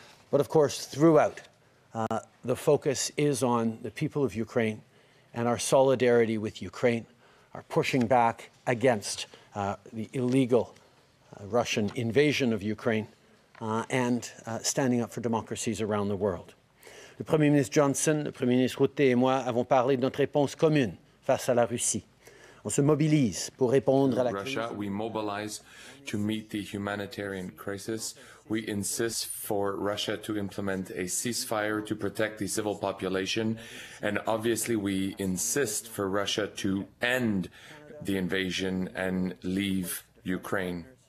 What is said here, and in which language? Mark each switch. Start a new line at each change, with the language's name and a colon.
English: But of course, throughout, the focus is on the people of Ukraine and our solidarity with Ukraine, our pushing back against the illegal Russian invasion of Ukraine, and standing up for democracies around the world.
French: Le Premier ministre Johnson, le Premier ministre Rutte et moi avons parlé de notre réponse commune face à la Russie. On se mobilise pour répondre à la
English: Russia,
French: crise.
English: We mobilize to meet the humanitarian crisis. We insist for Russia to implement a ceasefire to protect the civil population. And obviously, we insist for Russia to end the invasion and leave Ukraine.